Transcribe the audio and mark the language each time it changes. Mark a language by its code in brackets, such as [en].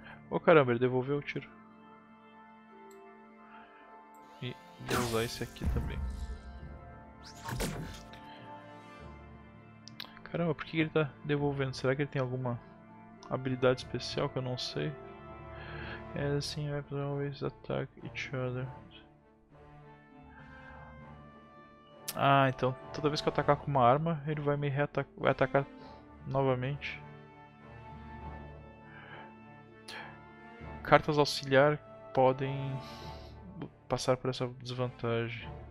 [pt] Oh caramba, ele devolveu o tiro. E vou usar esse aqui também. Caramba, por que ele tá devolvendo? Será que ele tem alguma habilidade especial que eu não sei? É assim, [en] weapons always attack each other. [pt] Ah, então toda vez que eu atacar com uma arma, ele vai me reatacar, vai atacar novamente. Cartas auxiliar podem passar por essa desvantagem.